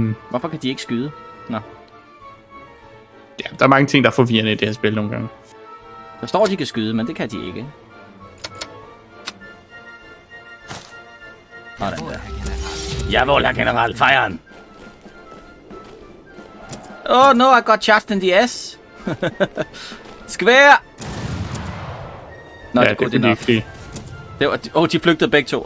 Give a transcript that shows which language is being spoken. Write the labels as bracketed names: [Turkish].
[Danish] Hvorfor kan de ikke skyde? Nå. Ja, der er mange ting, der er forvirrende i det her spil nogle gange. Der står, at de kan skyde, men det kan de ikke. Nå, den der. Jeg vil have general fejren. [English] Oh, no, I got charged in the ass. Square! [Danish] Nå, ja, det er godt det var, oh, de flygtede begge to.